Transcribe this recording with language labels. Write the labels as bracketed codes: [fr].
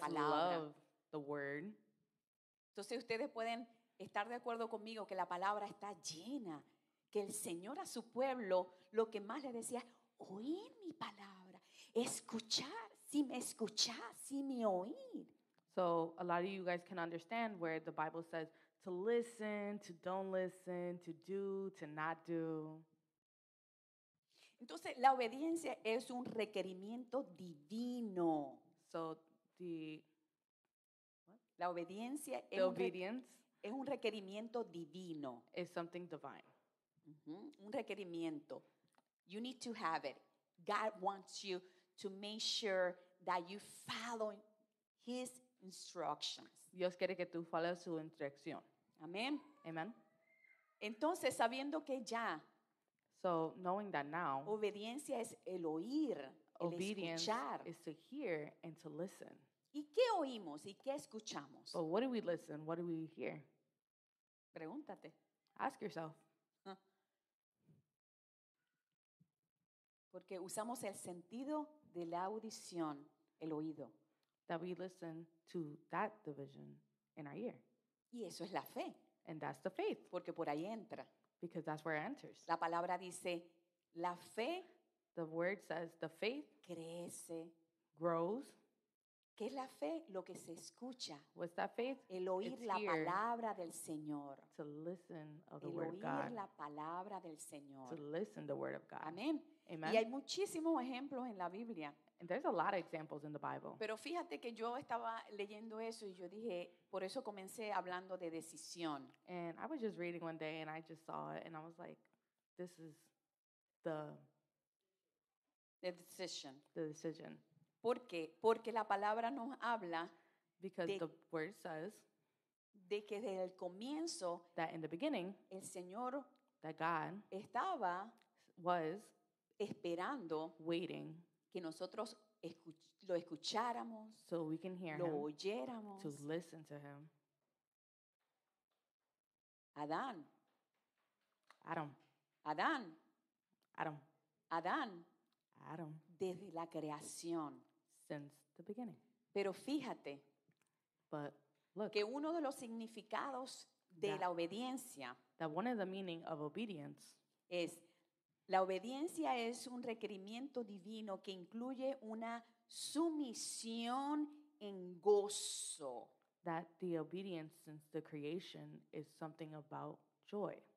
[es] palabra. [en] Love the word. [es] Entonces ustedes pueden estar de acuerdo conmigo que la palabra está llena. Que el Señor a su pueblo lo que más le decía es oír mi palabra. Escuchar, si me escuchas, si me oír. [en] So a lot of you guys can understand where the Bible says to listen, to don't listen, to do, to not do. [es] Entonces, la obediencia es un requerimiento divino. [en] So the [es] la obediencia [en] the [es] es, [en] obedience [es] es un requerimiento divino. [en] Is something divine. Mm-hmm. [es] Un requerimiento. [en] You need to have it. God wants you to make sure that you follow His instructions. [es] Dios quiere que tú [en] follow [es] su instrucción. Amén. [en] Amen. [es] Entonces, sabiendo que ya. [en] So, knowing that now. [es] Obediencia es el oír, [en] obedience [es] el escuchar. [en] Is to hear and to listen. [es] ¿Y qué oímos y qué escuchamos? [en] But what do we listen? What do we hear? [es] Pregúntate. [en] Ask yourself. [es] Porque usamos el sentido de la audición, el oído. [en] That we listen to that division in our ear. [es] Y eso es la fe. [en] And that's the faith. [es] Porque por ahí entra. [en] Because that's where it enters. [es] La palabra dice, la fe. [en] The word says the faith. [es] Crece. [en] Grows. [es] ¿Qué es la fe? Lo que se escucha. [en] What's that faith? [es] El oír la palabra del Señor. [en] To listen of the [es] el [en] word of God. [es] El oír la palabra del Señor. [en] To listen the word of God. [es] Amén. [en] Amen. [es] Y hay muchísimos ejemplos en la Biblia. [en] And there's a lot of examples in the Bible. [es] Pero fíjate que yo estaba leyendo eso y yo dije, por eso comencé hablando de decisión. [en] And I was just reading one day and I just saw it and I was like, this is the decision. The decision. [es] ¿Por qué? Porque la palabra nos habla [en] because the word says [es] de que desde el comienzo [en] that in the beginning [es] el Señor [en] that God [es] estaba [en] was [es] esperando [en] waiting [es] que nosotros lo escucháramos [en] so we can hear [es] lo [en] him, [es] oyéramos [en] to listen to him. [es] Adán. [en] Adam. [es] Adán. [en] Adam. [es] Adán. [en] Adam. [es] Desde la creación. [en] Since the beginning. [es] Pero fíjate. [en] But look. [es] Que uno de los significados de la obediencia. [en] That one of the meaning of obedience. [es] Es la obediencia es un requerimiento divino que incluye una sumisión en gozo. [en] That the obedience since the creation is something about joy.